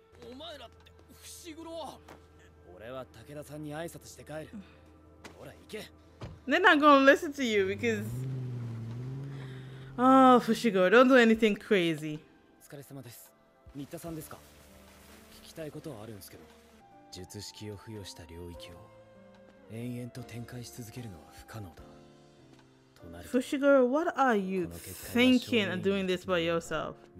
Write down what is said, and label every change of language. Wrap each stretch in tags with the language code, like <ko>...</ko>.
<ja>お前らって、フシグロ。俺は武田さんに挨拶して帰る。ほら、行け。</ja> <en>They're not gonna listen to you because, oh, Fushiguro, don't do anything crazy.</en> <ja>お疲れ様です。新田さんですか。聞きたいことはあるんですけど、術式を付与した領域を</ja> <en>Fushiguro, what are you thinking and doing this by yourself?</en>